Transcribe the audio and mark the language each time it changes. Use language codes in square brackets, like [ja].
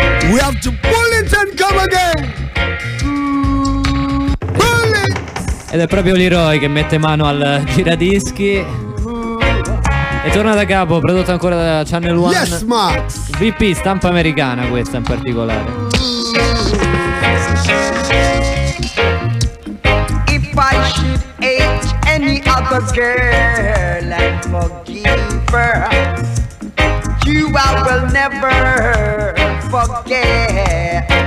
[en] We have to pull it and come again. Pull it. [it] Ed è proprio Leroy che mette mano al giradischi. E torna da capo, prodotto ancora da Channel One. [en] Yes, Max. [it] VP, stampa americana questa in particolare. [en] If I should hate any other girl and forgive her, you I will never forget.